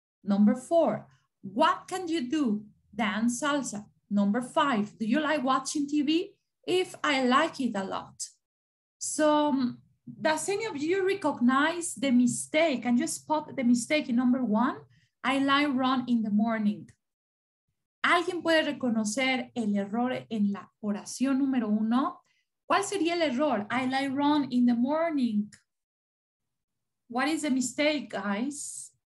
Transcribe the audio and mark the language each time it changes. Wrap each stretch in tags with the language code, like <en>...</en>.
<en>Number four, what can you do? Dance salsa. Number five, do you like watching TV? If I like it a lot. So does any of you recognize the mistake? Can you spot the mistake in number one? I like run in the morning.</en> <es>¿Alguien puede reconocer el error en la oración número uno? ¿Cuál sería el error?</es> <en>I like run in the morning. What is the mistake, guys?</en>